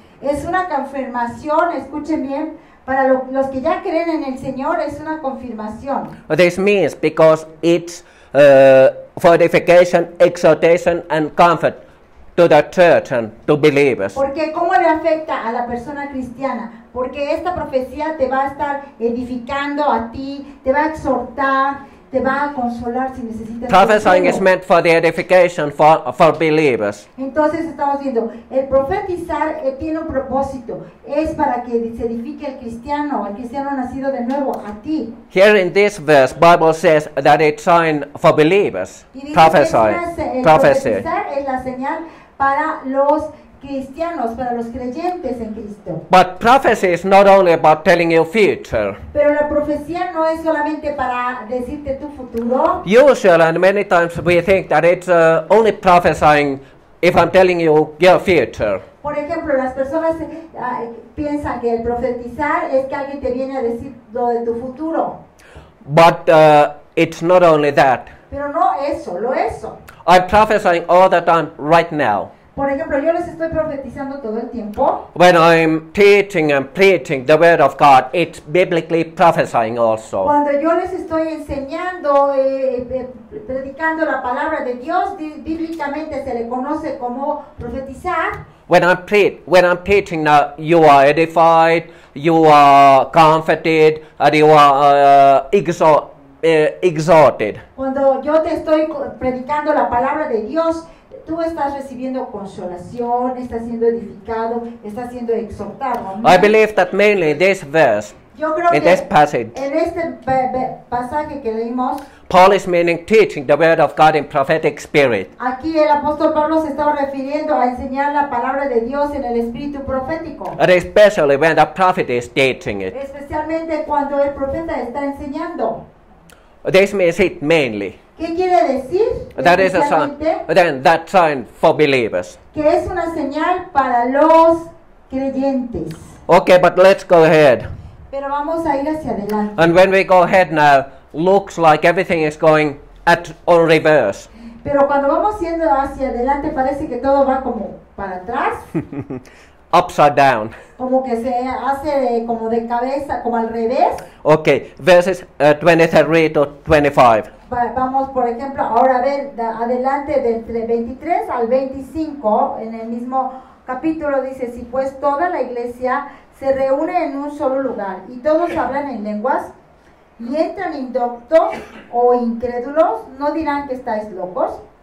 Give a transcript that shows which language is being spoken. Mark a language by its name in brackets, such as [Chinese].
[Spanish] Es una confirmación, escuchen bien, para los que ya creen en el Señor, es una confirmación. [English] This means because it's for edification, exhortation and comfort to the church and to believers. [Spanish] Porque ¿cómo le afecta a la persona cristiana? Porque esta profecía te va a estar edificando a ti, te va a exhortar. Te va a consolar si necesitas. [English] Prophesying is meant for the edification for believers. [Spanish] Entonces estamos viendo, el profetizar tiene un propósito, es para que se edifique el cristiano nacido de nuevo a ti. [English] Here in this verse, Bible says that it's sign for believers. Prophesying. Prophecy. [Spanish] El profetizar es la señal para los cristianos, para los creyentes en Cristo. [English] But prophecy is not only about telling your future. [Spanish] Pero la profecía no es solamente para decirte tu futuro. [English] Usually and many times we think that it's only prophesying if I'm telling you your future. [Spanish] Por ejemplo, las personas piensan que el profetizar es que alguien te viene a decir lo de tu futuro. [English] But it's not only that. [Spanish] Pero no es solo eso. [English] I'm prophesying all the time right now. [Spanish] Por ejemplo, yo les estoy profetizando todo el tiempo. [English] When I'm teaching and preaching the word of God, it's biblically prophesying also. [Spanish] Cuando yo les estoy enseñando, predicando la palabra de Dios, bíblicamente se le conoce como profetizar. [English] When I'm preaching, you are edified, you are comforted, and you are exhorted. [Spanish] Cuando yo te estoy predicando la palabra de Dios, tú estás recibiendo consolación, estás siendo edificado, estás siendo exhortado. ¿No? [English] I believe that mainly this verse, in this passage, [Spanish] en este pasaje que leímos, [English] Paul is meaning teaching the word of God in prophetic spirit. [Spanish] Aquí el apóstol Pablo se estaba refiriendo a enseñar la palabra de Dios en el espíritu profético. [English] And especially when the prophet is teaching it. [Spanish] Especialmente cuando el profeta está enseñando. [English] This means it mainly. [Spanish] ¿Qué quiere decir? [English] That is a sign. Then that sign for believers. [Spanish] Que es una señal para los creyentes. [English] Okay, but let's go ahead. [Spanish] Pero vamos a ir hacia adelante. [English] And when we go ahead now, looks like everything is going at on reverse. [Spanish] Pero cuando vamos yendo hacia adelante, parece que todo va como para atrás. [English] Upside down. [Spanish] Como que se hace de, como de cabeza, como al revés. [English] Okay, verses 23 to 25. [Spanish] Vamos, por ejemplo, ahora a ver adelante del 23 al 25, en el mismo capítulo dice, si pues toda la iglesia se reúne en un solo lugar y todos hablan en lenguas, y entran indoctos o incrédulos, no dirán que estáis locos.